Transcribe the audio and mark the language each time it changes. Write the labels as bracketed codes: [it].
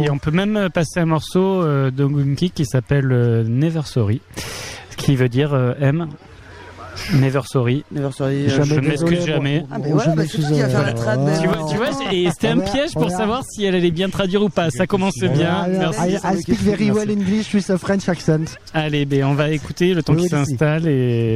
[fr] On peut même passer un morceau de Gunki qui s'appelle Never Sorry, qui veut dire M. [en] Never sorry. Never sorry. [fr] Je m'excuse jamais. Tu vois, c'était un piège pour savoir si elle allait bien traduire ou pas. Ça commence bien. Merci. [en] I speak very well English with a French accent. [fr] Allez, on va écouter le temps qui s'installe et.